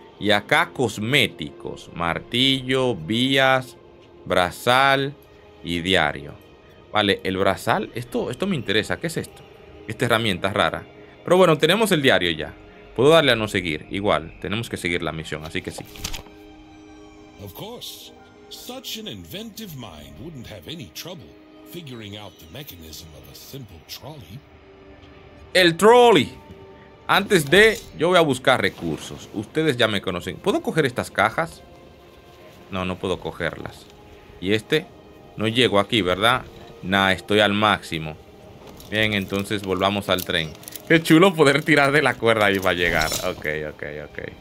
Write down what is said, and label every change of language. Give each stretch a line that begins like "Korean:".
Spanish: Y acá cosméticos, martillo, vías, brazal y diario. Vale, el brazal, esto me interesa, ¿qué es esto? Esta herramienta rara. Pero bueno, tenemos el diario ya. Puedo darle a no seguir, igual, tenemos que seguir la misión, así que sí.
English: Of course, such an inventive mind wouldn't have any trouble figuring out the mechanism of a simple trolley.
Spanish: El trolley. Antes de... Yo voy a buscar recursos. Ustedes ya me conocen. ¿Puedo coger estas cajas? No, no puedo cogerlas. ¿Y este? No llego aquí, ¿verdad? Nah, estoy al máximo. Bien, entonces volvamos al tren. Qué chulo poder tirar de la cuerda y va a llegar. Ok, ok, ok.